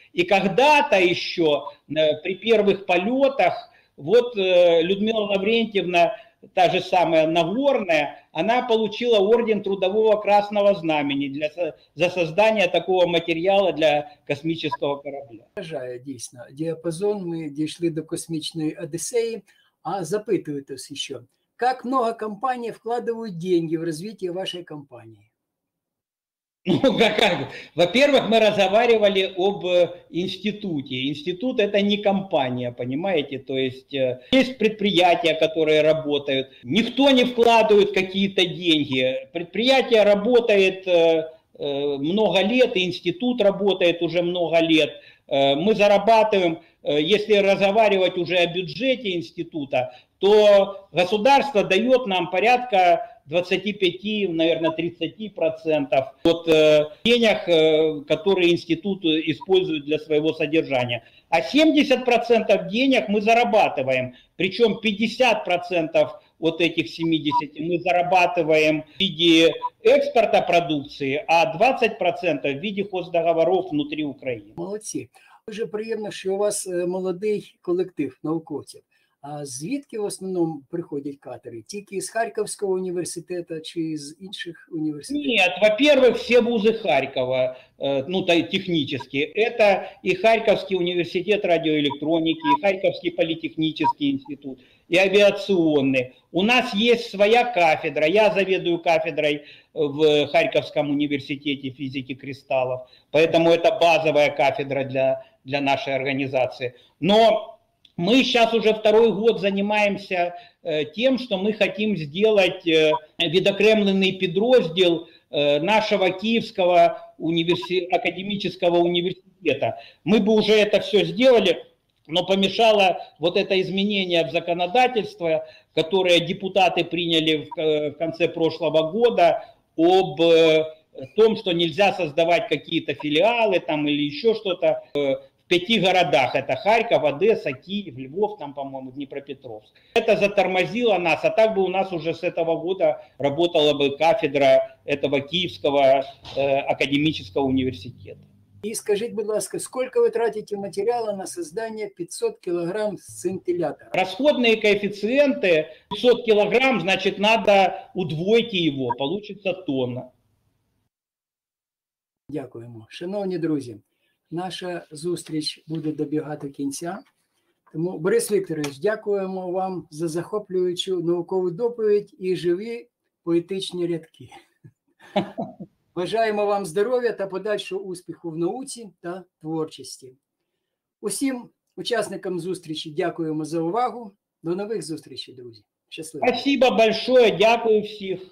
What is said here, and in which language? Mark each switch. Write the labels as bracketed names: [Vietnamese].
[Russian] И когда-то еще при первых полетах, вот Людмила Лаврентьевна, та же самая Нагорная, она получила орден Трудового Красного Знамени за создание такого материала для космического корабля. [Ukrainian] Вражає, дійсно, диапазон, мы дійшли до космічної Одиссеї, а запитують вас еще. [Russian] Как много компаний вкладывают деньги в развитие вашей компании? Ну, как? Во-первых, мы разговаривали об институте. Институт – это не компания, понимаете? То есть предприятия, которые работают. Никто не вкладывает какие-то деньги. Предприятие работает много лет, и институт работает уже много лет. Мы зарабатываем, если разговаривать уже о бюджете института, то государство дает нам порядка 25, наверное, 30% от денег, которые институт использует для своего содержания. А 70% денег мы зарабатываем, причем 50% от этих 70 мы зарабатываем в виде экспорта продукции, а 20% в виде хоздоговоров внутри Украины. Молодцы. [Ukrainian] Дуже приємно, що у вас молодий колектив науковців. А звідки в основному приходять кадри? Тільки з Харківського університету чи з інших університетів? Ні, [Russian] во-первых, [Ukrainian] всі вузи Харкова, ну, технічні. Це і Харківський університет радіоелектроніки, і Харківський політехнічний інститут, і авіаційний. У нас є своя кафедра, я заведую кафедрою в Харківському університеті фізики кристалів, тому це базова кафедра для [Russian] нашей организации. Но Мы сейчас уже второй год занимаемся тем, что мы хотим сделать видокремленный подраздел нашего Киевского академического университета. Мы бы уже это все сделали, но помешало вот это изменение в законодательство, которое депутаты приняли в конце прошлого года, об том, что нельзя создавать какие-то филиалы там или еще что-то в 5 городах. Это Харьков, Одесса, Киев, Львов, там, по-моему, Днепропетровск. Это затормозило нас, а так бы у нас уже с этого года работала бы кафедра этого Киевского академического университета. И скажите, пожалуйста, сколько вы тратите материала на создание 500 килограмм сцинтиллятора? Расходные коэффициенты 500 килограмм, значит, надо удвоить его, получится тонна. [Ukrainian] Дякуємо. Шановні друзі, наша зустріч буде добігати кінця. Тому, Борис Вікторович, дякуємо вам за захоплюючу наукову доповідь і живі поетичні рядки. Бажаємо вам здоров'я та подальшого успіху в науці та творчості. Усім учасникам зустрічі дякуємо за увагу. До нових зустрічей, друзі. Щасливо. [Russian] Спасибо большое. [Ukrainian] Дякую всіх.